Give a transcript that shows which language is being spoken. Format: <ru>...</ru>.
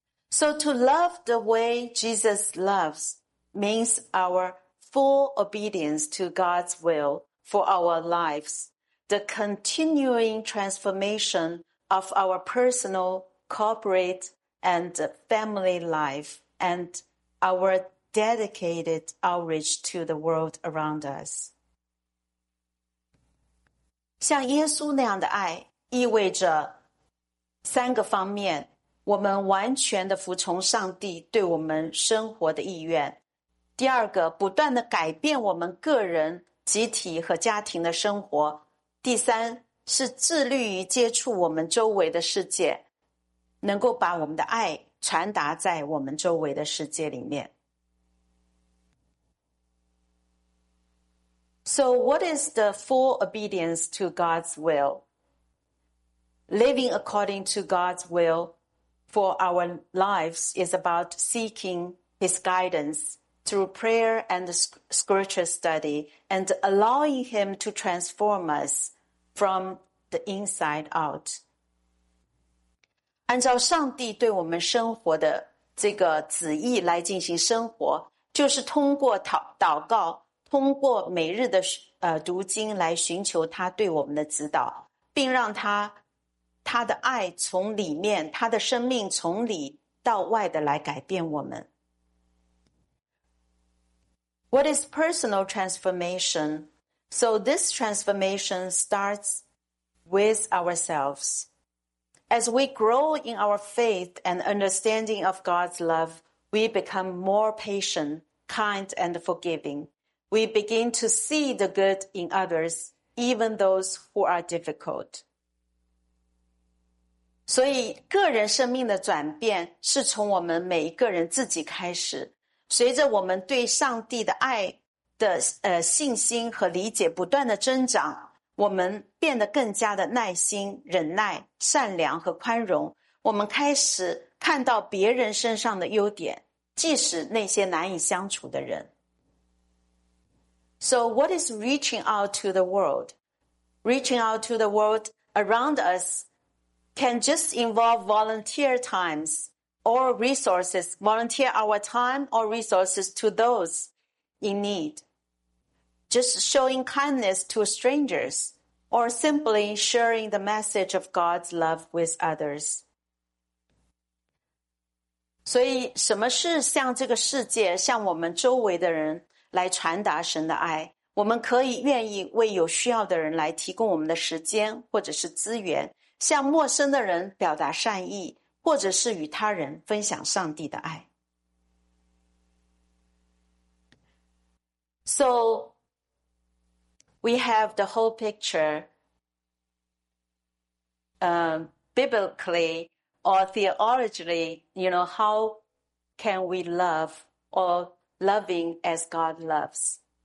<en>So to love the way Jesus loves means our full obedience to God's will for our lives, the continuing transformation of our personal, corporate, and family life. And our dedicated outreach to the world around us.</en> <zh>像耶稣那样的爱意味着三个方面，我们完全的服从上帝对我们生活的意愿。第二个，不断的改变我们个人、集体和家庭的生活。第三，是致力于接触我们周围的世界，能够把我们的爱传达在我们周围的世界里面。</zh> <en>So what is the full obedience to God's will? Living according to God's will for our lives is about seeking His guidance through prayer and scripture study and allowing Him to transform us from the inside out.</en> <zh>按照上帝对我们生活的这个旨意来进行生活，就是通过祷告，通过每日的读经来寻求他对我们的指导，并让他的爱从里面，他的生命从里到外的来改变我们。</zh> <en>What is personal transformation? So this transformation starts with ourselvesAs we grow in our faith and understanding of God's love, we become more patient, kind and forgiving. We begin to see the good in others, even those who are difficult.</en> <zh>所以个人生命的转变是从我们每一个人自己开始，随着我们对上帝的爱的信心和理解不断的增长，我们变得更加的耐心、忍耐、善良和宽容。我们开始看到别人身上的优点，即使那些难以相处的人。</zh> <en>So what is reaching out to the world? Reaching out to the world around us can just involve volunteer times or resources, volunteer our time or resources to those in need. Just showing kindness to strangers or simply sharing the message of God's love with others.</en> <zh>所以什么是向这个世界，向我们周围的人来传达神的爱，我们可以愿意为有需要的人来提供我们的时间或者是资源，向陌生的人表达善意，或者是与他人分享上帝的爱。</zh> <en>So we have the whole picture biblically or theologically, you know, how can we love or loving as God loves.</en>